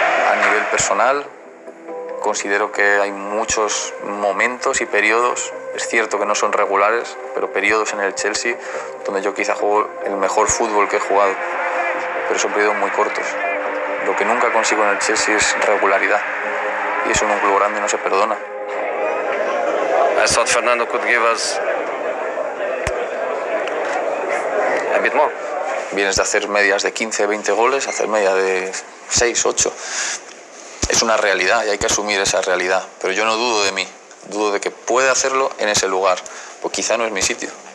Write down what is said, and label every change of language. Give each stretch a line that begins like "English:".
Spanish: A nivel personal, considero que hay muchos momentos y periodos, es cierto que no son regulares, pero periodos en el Chelsea donde yo quizá juego el mejor fútbol que he jugado, pero son periodos muy cortos. Lo que nunca consigo en el Chelsea es regularidad. Y eso en un club grande no se perdona.
English: I thought Fernando could give us a bit more.
Spanish: Vienes de hacer medias de 15, 20 goles, hacer media de 6, 8. Es una realidad y hay que asumir esa realidad. Pero yo no dudo de mí. Dudo de que puede hacerlo en ese lugar. Pues quizá no es mi sitio.